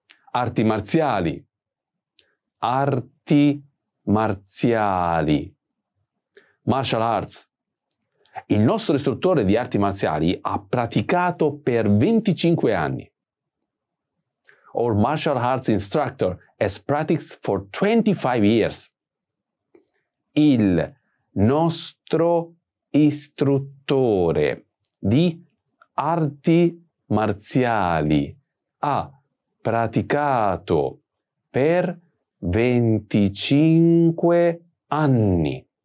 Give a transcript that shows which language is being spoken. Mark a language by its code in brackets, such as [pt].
[it] Arti marziali. Arti marziali. [en] Martial arts. [it] Il nostro istruttore di arti marziali ha praticato per 25 anni. [en] Our martial arts instructor has practiced for 25 years. [it] Il nostro istruttore di arti marziali ha praticato per 25 anni.